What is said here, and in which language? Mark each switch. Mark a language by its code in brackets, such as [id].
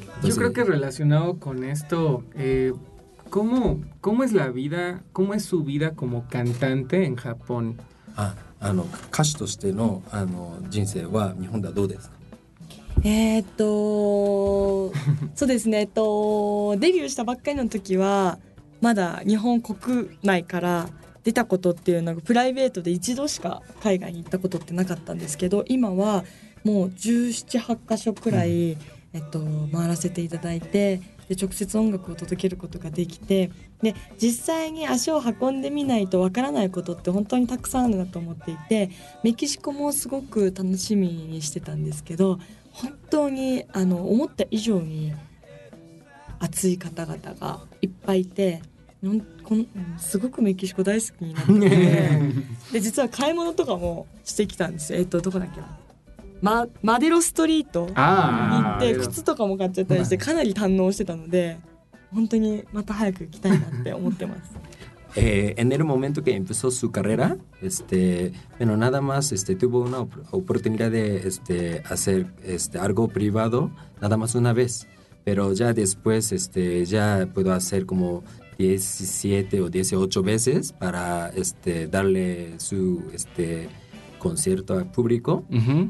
[es] Entonces, yo creo que relacionado con esto, ¿cómo es la vida, cómo es su vida como cantante en Japón? [ja] そうですね、デビューしたばっかりの時はまだ日本国内から出たことっていうのがプライベートで一度しか海外に行ったことってなかったんですけど、今はもう17、8カ所くらい、回らせていただいて、で直接音楽を届けることができて、で実際に足を運んでみないとわからないことって本当にたくさんあるなと思っていて、メキシコもすごく楽しみにしてたんですけど、本当に思った以上に熱い方々がいっぱいいて、すごくメキシコ大好きになって、ね、で実は買い物とかもしてきたんです。どこだっけな、マデロストリートに行って靴とかも買っちゃったりして、かなり堪能してたので、本当にまた早く行きたいなって思ってます。 [es] En el momento que empezó su carrera, bueno, nada más tuvo una oportunidad de hacer algo privado, nada más una vez. Pero ya después ya pudo hacer como 17 o 18 veces para darle su concierto al público. Uh-huh.